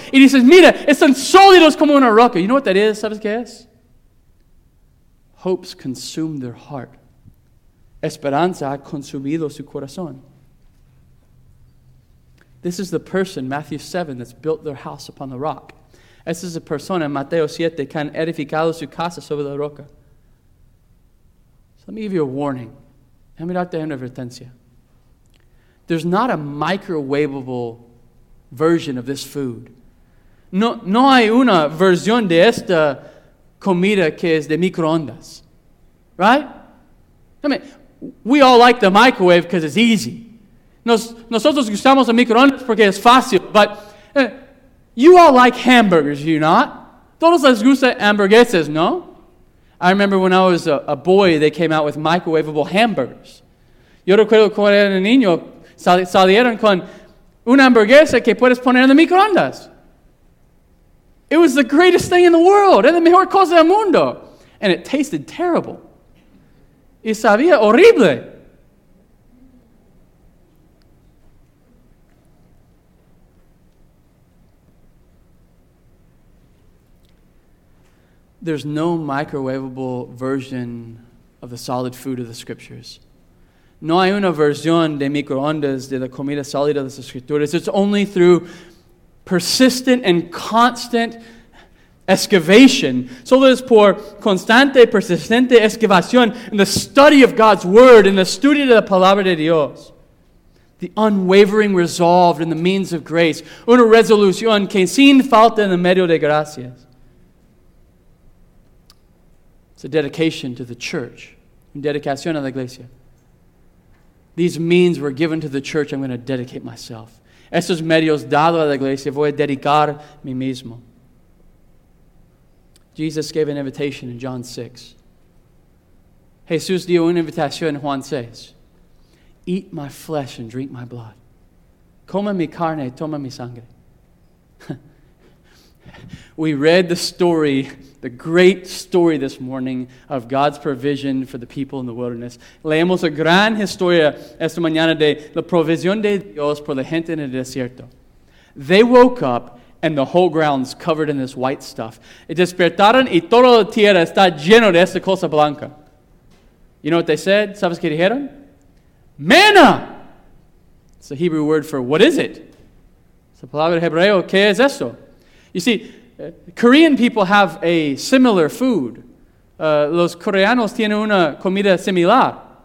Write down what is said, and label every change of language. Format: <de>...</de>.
<es>Y dices, mira, están sólidos como una roca.</es> <en>You know what that is?</en> <es>¿Sabes qué es?</es> <en>Hopes consume their heart.</en> <es>Esperanza ha consumido su corazón.</es> <en>This is the person, Matthew 7, that's built their house upon the rock.</en> <es>Esta es la persona, Mateo 7, que han edificado su casa sobre la roca.</es> <en>So let me give you a warning. Let me</en> <es>darte una advertencia.</es> <en>There's not a microwavable version of this food.</en> <es>No hay una versión de esta comida que es de microondas.</es> <en>Right? I mean, we all like the microwave because it's easy.</en> <es>Nosotros gustamos el microondas porque es fácil.</es> <en>But you all like hamburgers, do you not?</en> <es>Todos les gusta hamburguesas, no?</es> <en>I remember when I was a boy, they came out with microwavable hamburgers.</en> <es>Yo recuerdo cuando era niño, salieron con una hamburguesa que puedes poner en el microondas.</es> <en>It was the greatest thing in the world, and the</en> <es>mejor cosa del mundo.</es> <en>And it tasted terrible.</en> <es>Y sabía horrible.</es> <en>There's no microwavable version of the solid food of the Scriptures.</en> <es>No hay una versión de microondas de la comida sólida de las Escrituras.</es> <en>It's only through persistent and constant excavation.</en> <es>Solo es por constante, persistente excavación</es> <en>in the study of God's Word, in the study of the</en> <es>Palabra de Dios.</es> <en>The unwavering resolve in the means of grace.</en> <es>Una resolución que sin falta en el medio de gracias.</es> <en>The dedication to the church.</en> <es>Dedicación a la iglesia.</es> <en>These means were given to the church. I'm going to dedicate myself.</en> <es>Estos medios dados a la iglesia. Voy a dedicar mí mismo.</es> <en>Jesus gave an invitation in John 6.</en> <es>Jesús dio una invitación en Juan 6.</es> <en>Eat my flesh and drink my blood.</en> <es>Coma mi carne y toma mi sangre.</es> <en>We read the story, the great story this morning of God's provision for the people in the wilderness.</en> <es>Leemos la gran historia esta mañana de la provisión de Dios por la gente en el desierto.</es> <en>They woke up and the whole ground's covered in this white stuff.</en> <es>Despertaron y toda la tierra está llena de esta cosa blanca.</es> <en>You know what they said?</en> <es>¿Sabes qué dijeron?</es> <en>Manna! It's a Hebrew word for what is it?</en> <es>Es la palabra hebreo. ¿Qué es eso?</es> <en>You see, Korean people have a similar food.</en> <es>Los coreanos tienen una comida similar.</es>